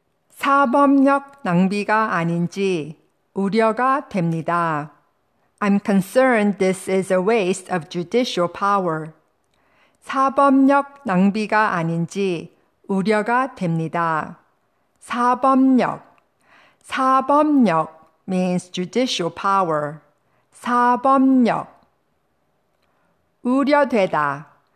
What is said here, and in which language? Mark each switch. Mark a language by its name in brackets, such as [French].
[Korean] 사법력 낭비가 아닌지 우려가 됩니다. [English] I'm concerned this is a waste of judicial power. [Korean] 사법력 낭비가 아닌지 우려가 됩니다. [English] 사법력. 사법력 means judicial power. [Korean] 사법력. 우려되다.